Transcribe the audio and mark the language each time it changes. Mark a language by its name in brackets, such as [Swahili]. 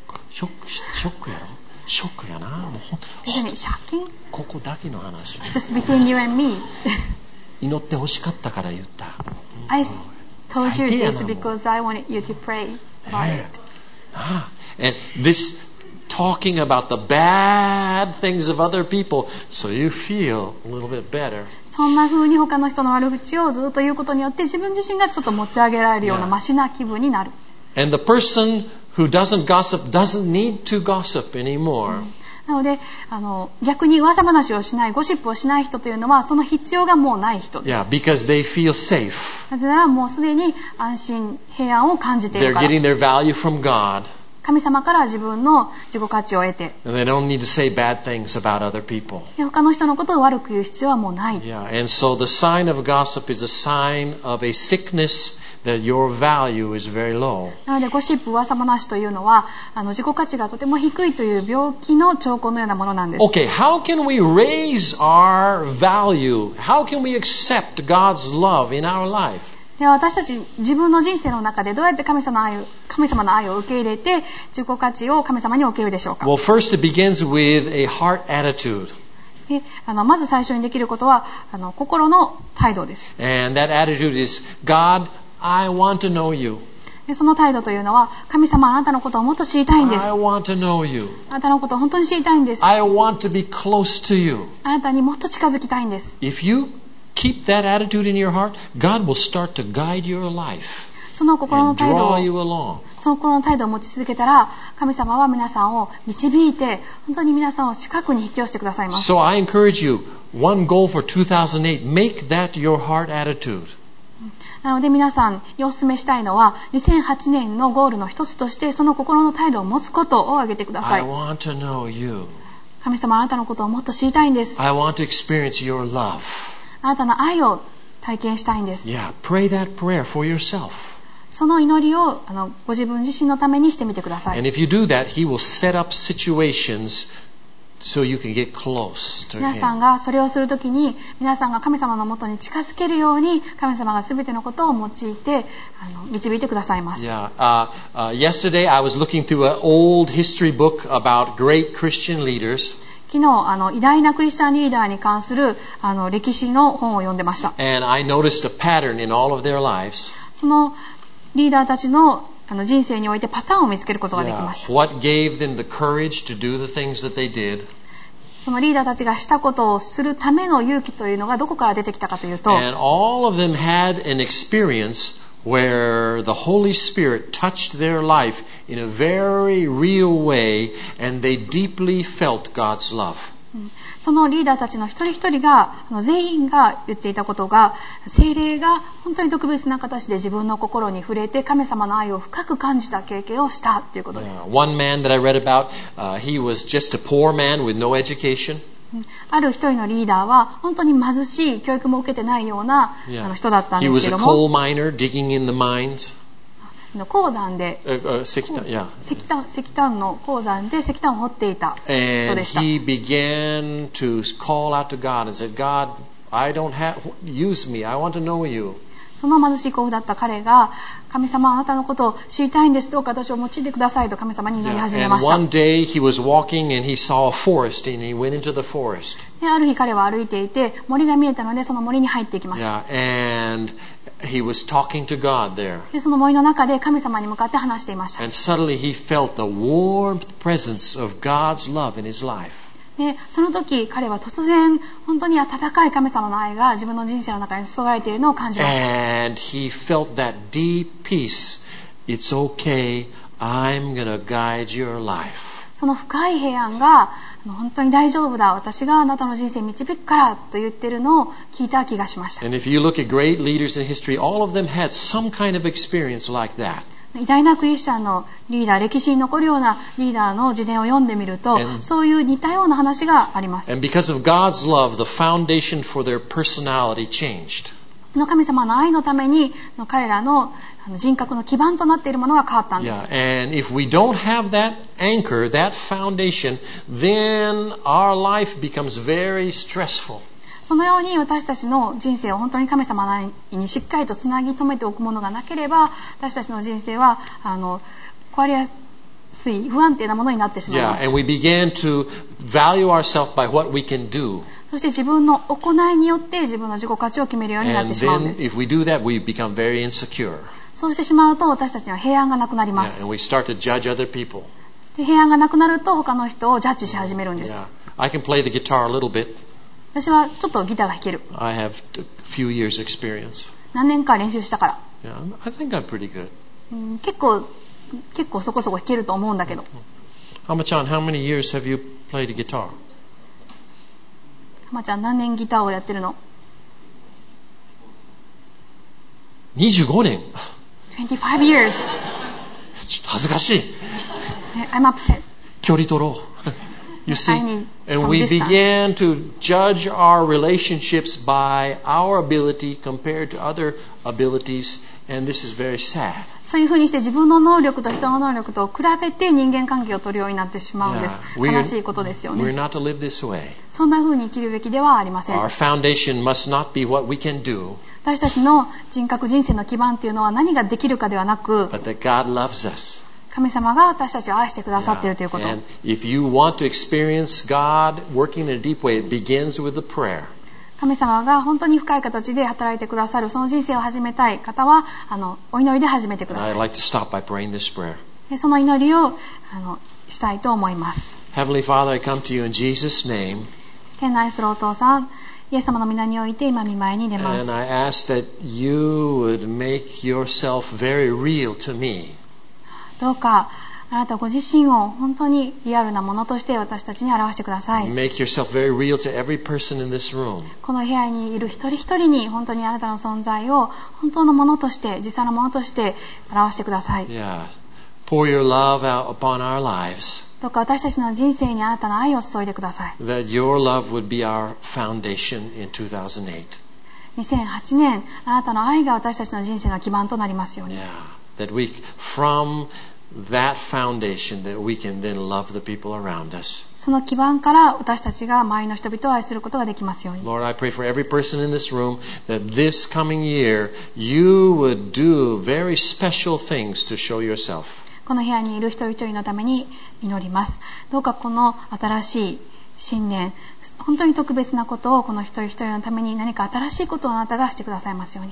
[Japanese] ショックやろ。ショックやな。もう本当に借金。ここだけの話。 [English] Just between you and me. [Japanese] 祈って欲しかったから言った。 [English] I told you this because I wanted you to pray about it. And this talking about the bad things of other people, so you feel a little bit better. [Japanese] そんな風に他の人の悪口をずっと言うことによって、自分自身がちょっと持ち上げられるようなマシな気分になる。 [English] Yeah. And the person. Who doesn't gossip doesn't need to gossip anymore. [Japanese] なので逆に噂話をしない、ゴシップをしない人というのはその必要がもうない人です。 [English] Yeah, because they feel safe. [Japanese] なぜならもうすでに安心、平安を感じているから。 [English] They're getting their value from God. [Japanese] 神様から自分の自己価値を得て。 [English] And they don't need to say bad things about other people. [Japanese] 他の人のことを悪く言う必要はもうない。 [English] Yeah, and so the sign of gossip is a sign of a sickness. That your value is very low. [Japanese] なのでゴシップ噂話というのは自己価値がとても低いという病気の兆候のようなものなんです。 [English] Okay, how can we raise our value? How can we accept God's love in our life? [Japanese] では私たち自分の人生の中でどうやって神様の愛を受け入れて自己価値を神様に置けるでしょうか。 [English] Well, first it begins with a heart attitude. [Japanese] まず最初にできることは心の態度です。 [English] And that attitude is God,I want to know you. [Japanese] その態度というのは、神様、あなたのことをもっと知りたいんです。 [English] I want to know you. [Japanese] あなたのことを本当に知りたいんです。 [English] I want to be close to you. [Japanese] あなたにもっと近づきたいんです。 [English] If you keep that attitude in your heart, God will start to guide your life. [Japanese] その心の態度を、その心の態度を持ち続けたら、神様は皆さんを導いて、本当に皆さんを近くに引き寄せてくださいます。 [English] So I encourage you, one goal for 2008, make that your heart attitude. [Japanese] なので皆さんにお勧めしたいのは、2008年のゴールの一つとしてその心の態度を持つことを挙げてください。 [English] I want to know you. [Japanese] 神様、あなたのことをもっと知りたいんです。 [English] I want to experience your love. [Japanese] あなたの愛を体験したいんです。 [English] Yeah, pray that prayer for yourself. [Japanese] その祈りをご自分自身のためにしてみてください。 [English] And if you do that, he will set up situations. So you can get close to him. [Japanese] 皆さんがそれをするときに、皆さんが神様のもとに近づけるように、神様がすべてのことを用いて導いてくださいます。 [English] Yesterday I was looking through an old history book about great Christian leaders. [Japanese] 昨日偉大なクリスチャンリーダーに関する歴史の本を読んでました。 [English] And I noticed a pattern in all of their lives. [Japanese] そのリーダーたちの人生においてパターンを見つけることができました。 [English] Yeah. What gave them the courage to do the things that they did? [Japanese] そのリーダーたちがしたことをするための勇気というのがどこから出てきたかというと、 [English] And all of them had an experience where the Holy Spirit touched their life in a very real way and they deeply felt God's love. [Japanese] そのリーダーたちの一人一人が全員が言っていたことが、聖霊が本当に特別な形で自分の心に触れて神様の愛を深く感じた経験をしたということです。 [English] One man that I read about, he was just a poor man with no education. [Japanese] ある一人のリーダーは本当に貧しい、教育も受けてないような人だったんですけども、 [English] He was a coal miner digging in the mines. [Japanese] の鉱山で石炭、 [English] yeah. [Japanese] 石炭の鉱山で石炭を掘っていた人でした。 [English] And he began to call out to God and said, God, I don't have, use me, I want to know you. [Japanese] その貧しい鉱夫だった彼が、神様、あなたのことを知りたいんです、どうか私を用いてくださいと神様に祈り始めました。 [English] And one day he was walking and he saw a forest and he went into the forest. [Japanese] ある日彼は歩いていて、森が見えたのでその森に入っていきました。 [English] Yeah. And he was talking to God there. [Japanese] でその森の中で神様に向かって話していました。 [English] And suddenly he felt the warm presence of God's love in his life. [Japanese] でその時彼は突然本当に温かい神様の愛が自分の人生の中に注がれているのを感じました。 [English] And he felt that deep peace. It's okay. I'm gonna guide your life. [Japanese] その深い平安が、本当に大丈夫だ、私があなたの人生を導くからと言っているのを聞いた気がしました。 [English] And if you look at great leaders in history, all of them had some kind of experience like that. [Japanese] 偉大なクリスチャンのリーダー、歴史に残るようなリーダーの自伝を読んでみると、そういう似たような話があります。 [English] And because of God's love, the foundation for their personality changed. [Japanese] 神様の愛のために、彼らの人格の基盤となっているものが変わったんです。 [English] Yeah. And if we don't have that anchor, that foundation, then our life becomes very stressful. [Japanese] そのように私たちの人生を本当に神様にしっかりとつなぎ止めておくものがなければ、私たちの人生は壊れやすい不安定なものになってしまいます。 [English] Yeah, and we began to value ourselves by what we can do. [Japanese] そして自分の行いによって自分の自己価値を決めるようになってしまうんです。 [English] And then if we do that, we become very insecure. [Japanese] そうしてしまうと私たちには平安がなくなります。 [English] Yeah, and we start to judge other people. [Japanese] で平安がなくなると他の人をジャッジし始めるんです。 [English] Yeah, I can play the guitar a little bit. [Japanese] 私はちょっとギターが弾ける。 [English] I have a few years experience. [Japanese] 何年か練習したから。 [English] Yeah, I think I'm pretty good. [Japanese] 結構そこそこ弾けると思うんだけど。 [English] Hama-chan, how many years have you played guitar? [Japanese] Hama-chan, 何年ギターをやってるの？ 25年。 [English] 25 years. [Japanese] ちょっと恥ずかしい。 [English] I'm upset. [Japanese] 距離取ろう。 [English] You see, and we began to judge our relationships by our ability compared to other abilities, and this is very sad. [Japanese] そういうふうにして自分の能力と人の能力と比べて人間関係を取るようになってしまうんです。悲しいことですよね。 [English] We're not to live this way. [Japanese] そんなふうに生きるべきではありません。 [English] Our foundation must not be what we can do. [Japanese] 私たちの人格、人生の基盤というのは何ができるかではなく、 [English] But that God loves us. [Japanese] 神様が私たちを愛してくださっているということ。 [English] Yeah. And if you want to experience God working in a deep way, it begins with the prayer. [Japanese] 神様が本当に深い形で働いてくださる、その人生を始めたい方は、お祈りで始めてください。 [English] And I'd like to stop by praying this prayer. [Japanese] で、その祈りをしたいと思います。 [English] Heavenly Father, I come to you in Jesus' name. [Japanese] 天の愛するお父さん、イエス様の御名において今御前に出ます。 [English] And I ask that you would make yourself very real to me. [Japanese] どうかあなたご自身を本当にリアルなものとして私たちに表してください。 [English] Make yourself very real to every person in this room. [Japanese] この部屋にいる一人一人に本当にあなたの存在を本当のものとして、実際のものとして表してください。 [English] Yeah. Pour your love out upon our lives. [Japanese] どうか私たちの人生にあなたの愛を注いでください。 [English] That your love would be our foundation in 2008. [Japanese] 2008年、あなたの愛が私たちの人生の基盤となりますように。 [English] Yeah. That we, from that foundation, that we can then love the people around us. [Japanese] その基盤から私たちが周りの人々を愛することができますように。 [English] Lord, I pray for every person in this room that this coming year you would do very special things to show yourself. [Japanese] この部屋にいる人々のために祈ります。どうかこの新しい新年、本当に特別なことをこの一人一人のために何か新しいことをあなたがしてくださいますように。